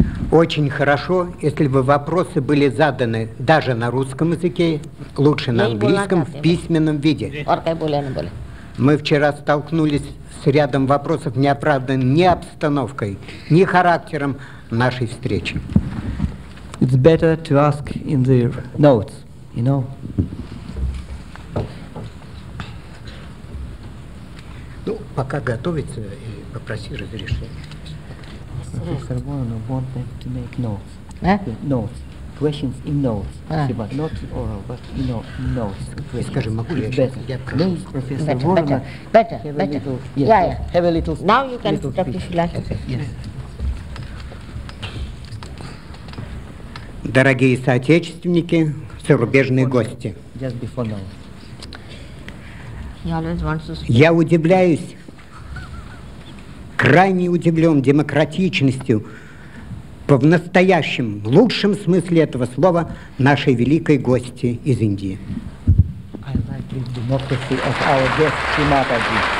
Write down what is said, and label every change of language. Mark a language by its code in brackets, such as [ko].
[ru] Очень хорошо, если бы вопросы были заданы даже на русском языке, лучше на английском, в письменном виде. Мы вчера столкнулись с рядом вопросов, не оправданы ни обстановкой, ни характером нашей встречи. [en] It's better to ask in the notes, you know. [ru] Ну, пока готовится, и попроси разрешения. [en] Professor Warren wants them to make notes. Notes. Questions in notes. But not oral, but you know, notes. [ru] Скажи, могу ли [en] я? Please, Professor Warren. Better. Little, yes, yeah. Have a little speech. Now you can talk if you like. Yes. [ru] Дорогие соотечественники, зарубежные гости. [en] Just before now. He always wants to speak. [ru] Я удивляюсь. Крайне удивлен демократичностью в настоящем, лучшем смысле этого слова нашей великой гости из Индии. [en] I like the democracy of our guest, Shri Mataji.